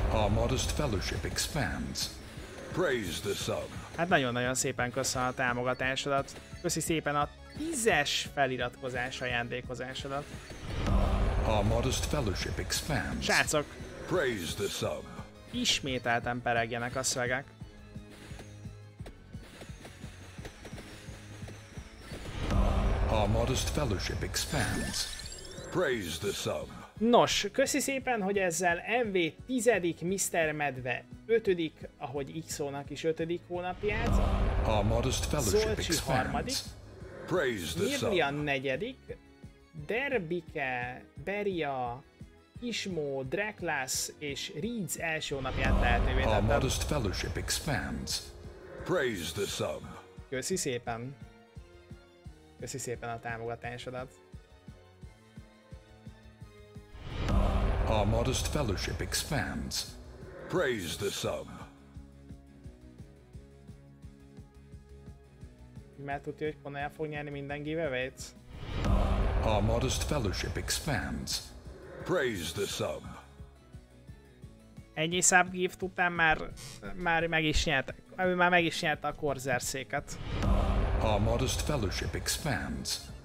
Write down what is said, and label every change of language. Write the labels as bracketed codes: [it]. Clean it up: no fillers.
[en] Our modest fellowship expands. Praise the sun. [hu] Hát nagyon-nagyon szépen köszönöm a támogatásodat. Köszi szépen a 10-es feliratkozás ajándékozásodat. [en] Our modest fellowship expands. [hu] Srácok! [en] Praise the sun. [hu] Ismételten peregjenek a szvegek. [en] Our modest fellowship expands. Praise the sun. [hu] Nos, köszi szépen, hogy ezzel MV 10. Mr. Medve 5., ahogy Xónak is 5. hónapját. [en] Our modest fellowship expands. Praise the sun. Mirlian 4., Derbike, Beria, Ismo, Dreklász és Reeds 1. [hu] hónapját lehetővé tettem. [en] Our modest fellowship expands. Praise the sun. [hu] Köszi szépen. Köszi szépen a támogatásodat. [en] Our modest fellowship expands. Praise the sub. [hu] Mert tudja, hogy van el fog nyerni minden giveaway-t. [en] Our modest fellowship expands. Praise the sub. [hu] Ennyi sub gift után már meg is nyertek. Ami már meg is nyerte a Corsair széket. [en] Our modest fellowship expands.